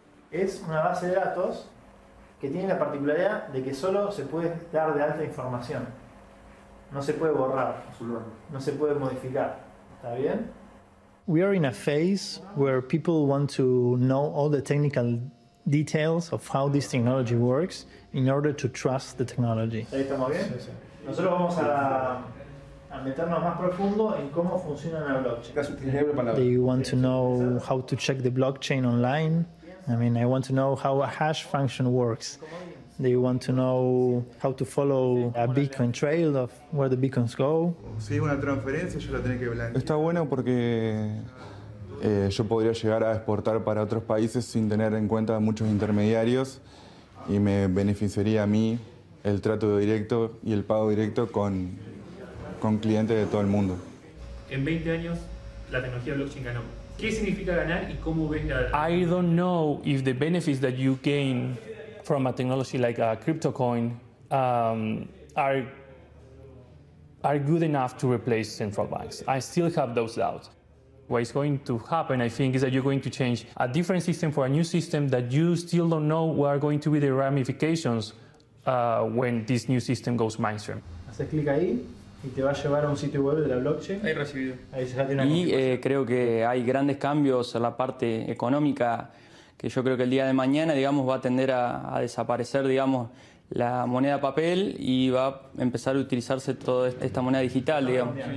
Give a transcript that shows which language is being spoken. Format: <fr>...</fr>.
<es>Es una base de datos que tiene la particularidad de que solo se puede dar de alta información. No se puede borrar, no se puede modificar. ¿Está bien?</es> <en>We are in a phase where people want to know all the technical details of how this technology works in order to trust the technology.</en> <es>¿Ahí estamos bien? Nosotros vamos a meternos más profundo en cómo funciona la blockchain.</es> <en>They want to know how to check the blockchain online. I mean, I want to know how a hash function works. They want to know how to follow a Bitcoin trail of where the beacons go.</en> <es>Si es una transferencia, yo la tengo que blanquear. Está bueno porque yo podría llegar a exportar para otros países sin tener en cuenta muchos intermediarios y me beneficiaría a mí el trato directo y el pago directo con clientes de todo el mundo. En 20 años, la tecnología blockchain ganó. ¿Qué significa ganar y cómo ves la...</es> <en>I don't know if the benefits that you gain from a technology like a crypto coin are good enough to replace central banks. I still have those doubts. What is going to happen, I think, is that you're going to change a different system for a new system that you still don't know what are going to be the ramifications when this new system goes mainstream.</en> <es>Haces clic ahí. Y te va a llevar a un sitio web de la blockchain. Ahí recibido. Y creo que hay grandes cambios en la parte económica, que yo creo que el día de mañana, digamos, va a tender a desaparecer, digamos, la moneda papel y va a empezar a utilizarse toda esta moneda digital, digamos.</es>